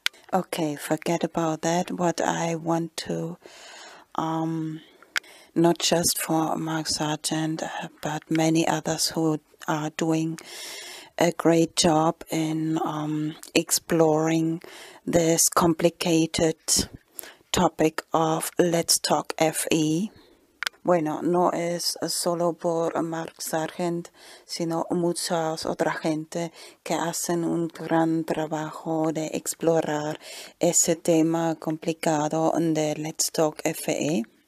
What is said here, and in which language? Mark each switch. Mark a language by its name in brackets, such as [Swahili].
[English] Okay, forget about that. What I want to, not just for Mark Sargent, but many others who are doing a great job in exploring this complicated topic of Let's Talk FE. [Spanish] Bueno, no es solo por Mark Sargent, sino muchas otra gente que hacen un gran trabajo de explorar ese tema complicado de Let's Talk FE.